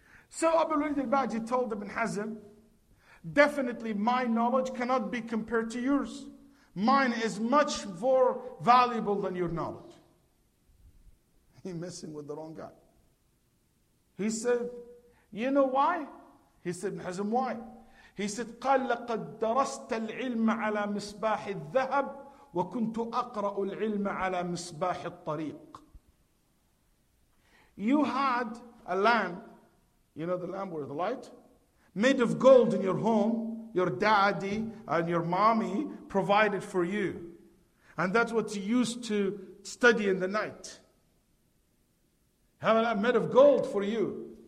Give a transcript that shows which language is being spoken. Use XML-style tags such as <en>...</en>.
<en>So Abu al-Walid al-Baji told Ibn Hazm, definitely my knowledge cannot be compared to yours. Mine is much more valuable than your knowledge. He's messing with the wrong guy. He said, you know why? He said, Hazm, why? He said,</en> <ar>قال لقد درست العلم على مصباح الذهب وكنت أقرأ العلم على مصباح الطريق.</ar> <en>You had a lamp, you know the lamp with the light, made of gold in your home, your daddy and your mommy provided for you. And that's what you used to study in the night. Have a made of gold for you.</en>